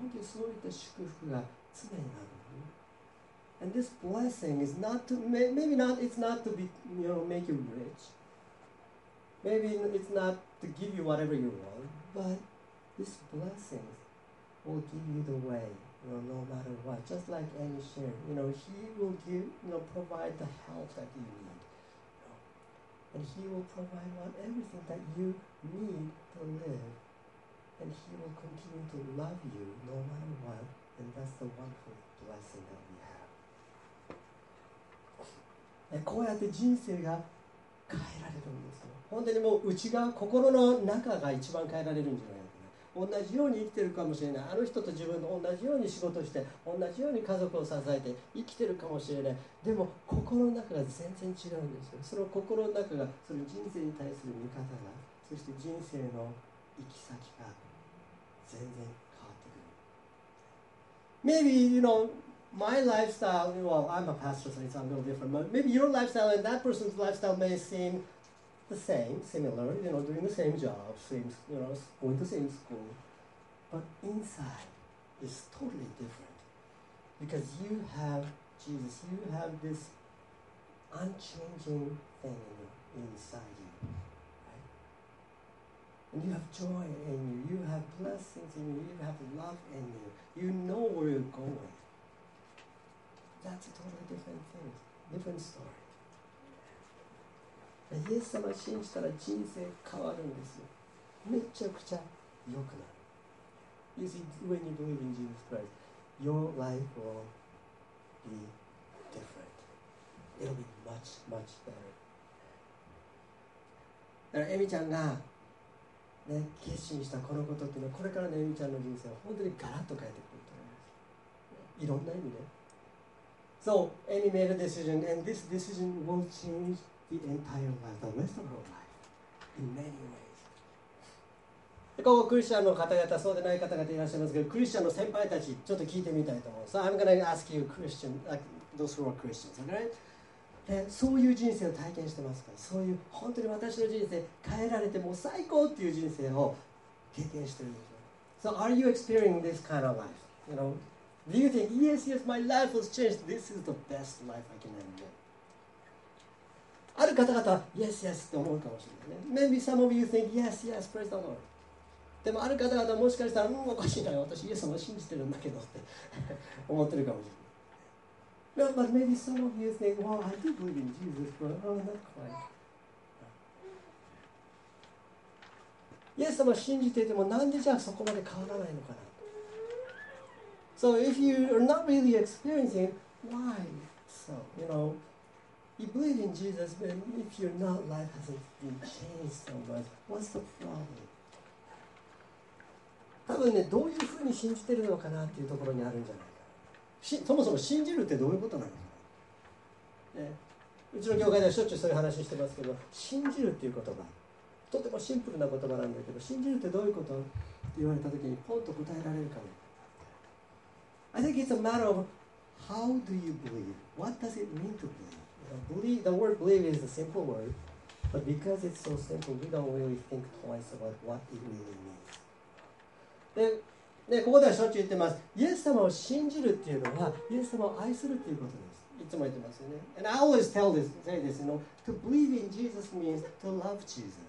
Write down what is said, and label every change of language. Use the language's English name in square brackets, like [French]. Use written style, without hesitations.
[Japanese] 本当にそういった祝福が常にあるの、ね、 [English] And this blessing is not to maybe not it's not to be, you know, make you rich, maybe it's not to give you whatever you want, butThis blessing will give you the way, you know, no matter what. Just like any share, you know, He will give, you know, provide the help that you need, you know, and He will provide what, everything that you need to live, and He will continue to love you no matter what. And that's the wonderful blessing that we have. [Japanese] And こうやって人生が変えられるんですよ。本当にもう内側、心の中が一番変えられるんじゃない。同じように生きてるかもしれない。あの人と自分と同じように仕事して、同じように家族を支えて生きてるかもしれない。でも心の中が全然違うんですよ。その心の中が、その人生に対する見方が、そして人生の行き先が全然変わってくる。 [English] Maybe, you know, my lifestyle, well, I'm a pastor, so it's a little different, but maybe your lifestyle and that person's lifestyle may seemThe same, similar, you know, doing the same job, same, you know, going to the same school. But inside is totally different. Because you have Jesus, you have this unchanging thing inside you, right? And you have joy in you, you have blessings in you, you have love in you. You know where you're going. That's a totally different thing, different story. [Japanese] イエス様を信じたら人生変わるんですよ。めちゃくちゃ良くなる。 [English] You see, when you believe in Jesus Christ, your life will be different. It'll be much, much better. [Japanese] だからエミちゃんが、ね、決心したこのことっていうのは、これからのエミちゃんの人生を本当にガラッと変えてくると思います。いろんな意味で。 [English] So, Amy made a decision, and this decision will changethe entire life, the rest of our life, in many ways. [Japanese] ここクリスチャンの方々、そうでない方々いらっしゃいますけど、クリスチャンの先輩たち、ちょっと聞いてみたいと思う。 [English] So I'm going to ask you Christian, like those who are Christians, okay? [Japanese] で、そういう人生を体験してますか？そういう、本当に私の人生変えられてもう最高っていう人生を経験してるんですよ。 [English] So are you experiencing this kind of life? You know, do you think, yes, yes, my life has changed. This is the best life I can have. [Japanese] ある方々は、 [English] Yes, yes [Japanese] って思うかもしれないね。 [English] Maybe some of you think, Yes, yes, praise the Lord. [Japanese] でもある方々はもしかしたら、おかしいな、私、イエス様を信じてるんだけどって思ってるかもしれない。 [English] No, but maybe some of you think, Well, I do believe in Jesus, but I'm not quite. [Japanese] イエス様を信じていても、なんでじゃあそこまで変わらないのかな。 So [English] So if you are not really experiencing, why? So, you know, you believe in Jesus, but if your life hasn't been changed so much, what's the problem? [Japanese] 多分ね、どういうふうに信じてるのかなっていうところにあるんじゃないか。そもそも信じるってどういうことなのか、ね。うちの教会ではしょっちゅうそういう話してますけど、信じるっていう言葉、とてもシンプルな言葉なんだけど、信じるってどういうことって言われたときに、ポンと答えられるかも。 [English] I think it's a matter of how do you believe? What does it mean to believe? Believe, the word believe is a simple word, but because it's so simple, we don't really think twice about what it really means. [Japanese] で、ね、ここではしょっちゅう言ってます。イエス様を信じるっていうのは、イエス様を愛するっていうことです。いつも言ってますよね。 [English] And I always tell this, say this, you know, to believe in Jesus means to love Jesus.